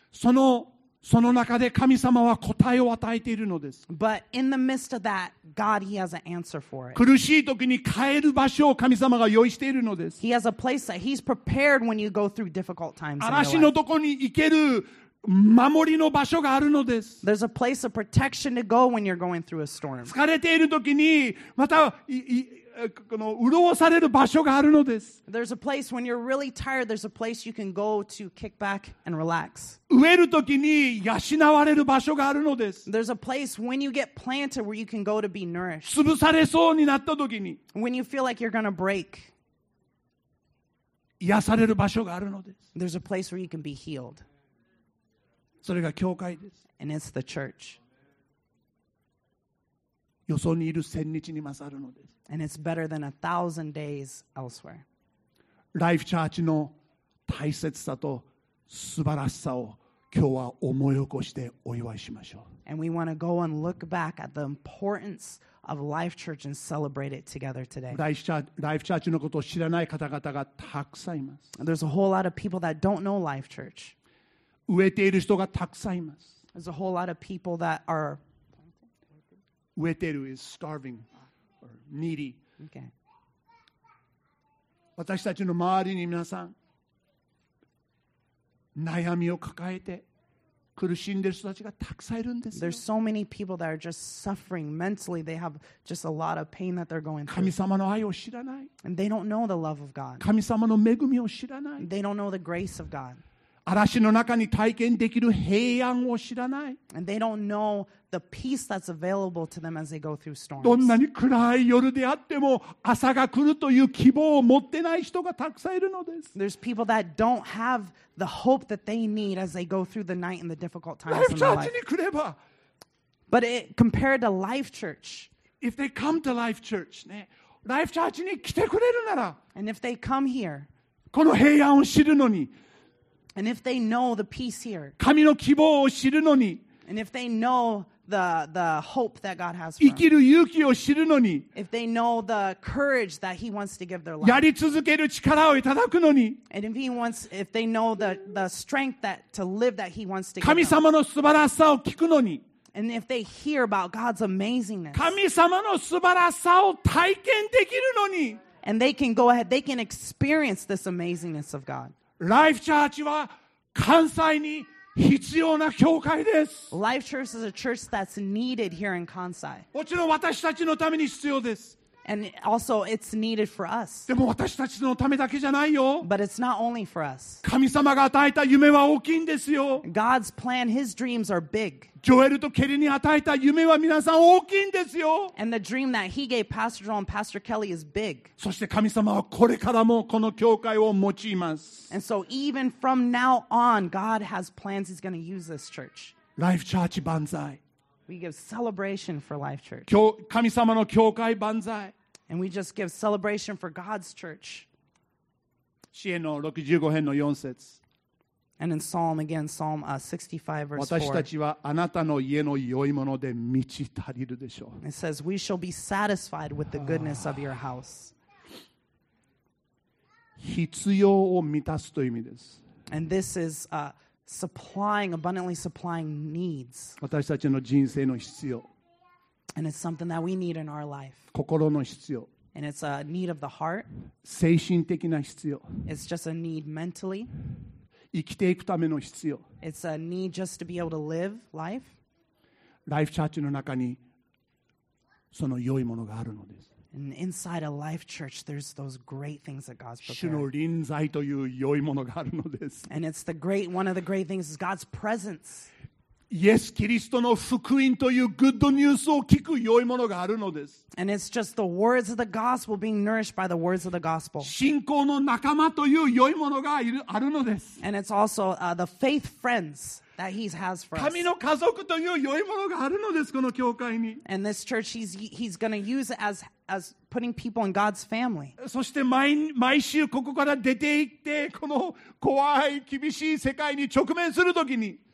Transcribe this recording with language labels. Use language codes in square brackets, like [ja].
[ja] その中で神様は答えを与えているのです。 [en] But in the midst of that, God, He has an answer for it. [ja] 苦しい時に帰る場所を神様が用意しているのです。 [en] He has a place that He's prepared when you go through difficult times. [ja] 嵐のとこに行ける守りの場所があるのです。 [en] There's a place of protection to go when you're going through a storm. [ja] 疲れている時にまたこの潤される場所があるのです。 [en] There's a place when you're really tired, there's a place you can go to kick back and relax. [ja] 植えるときに養われる場所があるのです。 [en] There's a place when you get planted where you can go to be nourished. [ja] 潰されそうになったときに。 [en] When you feel like you're gonna break. [ja] 癒される場所があるのです。 [en] There's a place where you can be healed. [ja] それが教会です。 [en] And it's the church. [ja] よそにいる千日に勝るのです。 [en] And it's better than a thousand days elsewhere. [ja] ライフチャーチの大切さと素晴らしさを今日は思い起こしてお祝いしましょう。 [en] And we want to go and look back at the importance of Life Church and celebrate it together today. [ja] ライフチャーチのことを知らない方々がたくさんいます。 [en] And there's a whole lot of people that don't know Life Church. [ja] 植えている人がたくさんいます。 [en] There's a whole lot of people that are Weteru is starving or needy. Okay. [ja] 私たちの周りに皆さん悩みを抱えて苦しんでいる人たちがたくさんいるんですよ。 [en] There's so many people that are just suffering mentally. They have just a lot of pain that they're going through. [ja] 神様の愛を知らない。 [en] And they don't know the love of God. [ja] 神様の恵みを知らない。 [en] They don't know the grace of God. [ja] 嵐の中に体験できる平安を知らない。 [en] And they don't know the peace that's available to them as they go through storms. [ja] どんなに暗い夜であっても朝が来るという希望を持ってない人がたくさんいるのです。 [en] There's people that don't have the hope that they need as they go through the night and the difficult times in their life. [ja] Life Church に来れば。 [en] But it, compared to Life Church. If they come to Life Church, [ja] ね、Life Church に来てくれるなら。 [en] And if they come here. [ja] この平安を知るのに。 [en] And if they know the peace here, [ja] 神の希望を知るのに、 [en] and if they know the hope that God has for them, [ja] 生きる勇気を知るのに、 [en] if they know the courage that He wants to give their life, [ja] やり続ける力をいただくのに、 [en] and if He wants, if they know the strength that to live that He wants to give, [ja] 神様の素晴らしさを聞くのに、 [en] and if they hear about God's amazingness, [ja] 神様の素晴らしさを体験できるのに、 [en] and they can go ahead, they can experience this amazingness of God. [ja] Life Church は関西に必要な教会です。 [en] Life Church is a church that's needed here in Kansai. [ja] もちろん私たちのために必要です。 [en] And also it's needed for us. [ja] でも私たちのためだけじゃないよ。 [en] But it's not only for us. [ja] 神様が与えた夢は大きいんですよ。 [en] God's plan, His dreams are big. [ja] ジョエルとケリに与えた夢は皆さん大きいんですよ。 [en] And the dream that He gave Pastor Joel and Pastor Kelly is big. [ja] そして神様はこれからもこの教会を用います。 [en] And so even from now on, God has plans He's going to use this church. [ja] Life Church 万歳。 [en] We give celebration for Life Church. [ja] 神様の教会万歳。 [en] And we just give celebration for God's church. [ja] 詩篇の65編の4節。 [en] And in Psalm again, Psalm 65 verse 4. [ja] 私たちはあなたの家の良いもので満ち足りるでしょう。 [en] It says, we shall be satisfied with the goodness of your house. [ja] 必要を満たすという意味です。 [en] And this is supplying, abundantly supplying needs. [ja] 私たちの人生の必要。 [en] And it's something that we need in our life. [ja] 心の必要。 [en] And it's a need of the heart. [ja] 精神的な必要。 [en] It's just a need mentally. [ja] 生きていくための必要。 [en] It's a need just to be able to live life. [ja] Life Church の中にその良いものがあるのです。 [en] And inside a life church, there's those great things that God's prepared. [ja] 主の臨在という良いものがあるのです。 [en] And it's the great, one of the great things is God's presence. [ja] イエス・キリストの福音というグッドニュースを聞く良いものがあるのです。 [en] And it's just the words of the gospel being nourished by the words of the gospel. [ja] 信仰の仲間という良いものがあるのです。 [en] And it's also the faith friends. that He has for us. [ja] 神の家族という良いものがあるのです、この教会に。 [en] And this church, He's going to use as putting people in God's family. [ja] そして毎週ここから出て行って、この怖い厳しい世界に直面するときに、